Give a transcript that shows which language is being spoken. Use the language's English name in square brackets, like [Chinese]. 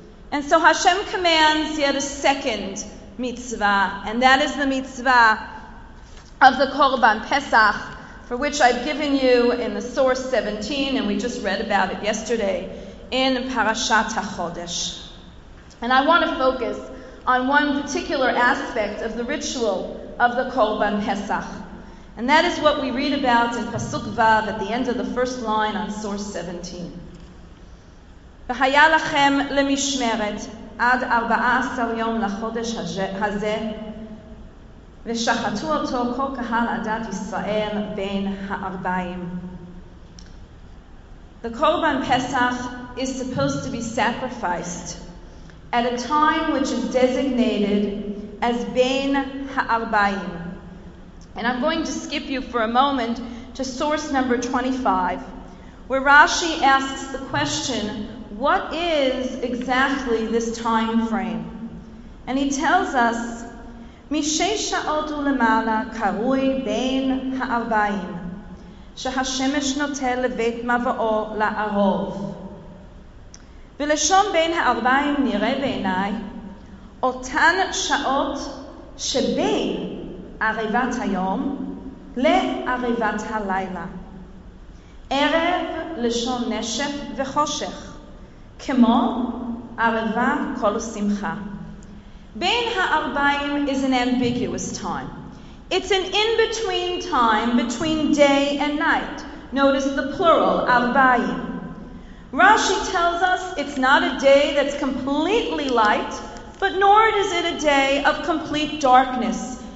[English] And so Hashem commands yet a second mitzvah, and that is the mitzvah of the Korban Pesach, for which I've given you in the source 17, and we just read about it yesterday, in Parashat HaChodesh. And I want to focus on one particular aspect of the ritual of the Korban Pesach. And that is what we read about in Pasuk Vav at the end of the first line on source 17. [Hebrew] V'haya lachem lemishmeret ad 14 yom l'chodesh hazeh, ושחטו אותו כל קהל עדת ישראל בין הארבעים. [English] The Korban Pesach is supposed to be sacrificed at a time which is designated as Bein HaArbaim. And I'm going to skip you for a moment to source number 25, where Rashi asks the question, what is exactly this time frame? And he tells us, [Hebrew] משש שעות ולמעלה קרוי בין הארבעים, שהשמש נוטה לבית מבואו לערוב. ולשון בין הארבעים נראה בעיניי אותן שעות שבין עריבת היום לעריבת הלילה. ערב לשון נשף וחושך, כמו עריבה כל שמחה. [English] Bein HaArbaim is an ambiguous time. It's an in-between time between day and night. Notice the plural, Arbaim. Rashi tells us it's not a day that's completely light, but nor is it a day of complete darkness.